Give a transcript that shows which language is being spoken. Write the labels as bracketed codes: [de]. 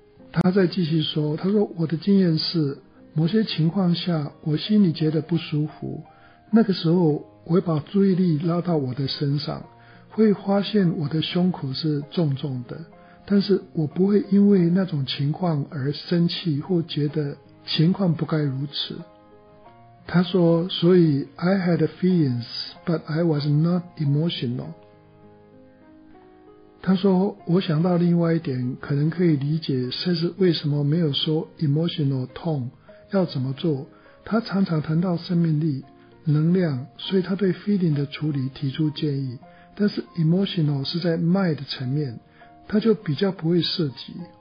[zh] 他再继续说，他说我的经验是某些情况下我心里觉得不舒服，那个时候我会把注意力拉到我的身上，会发现我的胸口是重重的，但是我不会因为那种情况而生气或觉得情况不该如此。他说，所以 [en] I had feelings but I was not emotional。 [zh] 他说我想到另外一点，可能可以理解甚至为什么没有说 emotional 痛要怎么做。他常常谈到生命力能量，所以他对 feeling 的处理提出建议，但是 emotional 是在 mind 层面，他就比较不会涉及。